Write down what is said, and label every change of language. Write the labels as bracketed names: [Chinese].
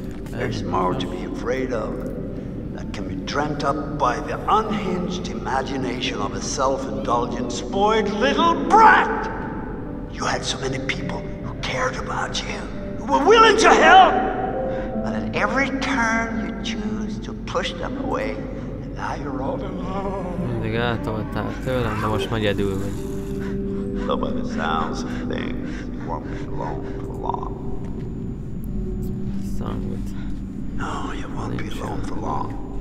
[English] There's more to be afraid of that can be dreamt up by the unhinged imagination of a self-indulgent, spoiled little brat! You had so many people who cared about you, who were willing to help! But at every turn you choose to push them away, and now you're all alone. [Hungarian] Mindig eltoltál tőlem, de most majd egyedül vagy. [English] So by the sounds of things, you won't be alone for long. Sound. No, you won't be alone for long.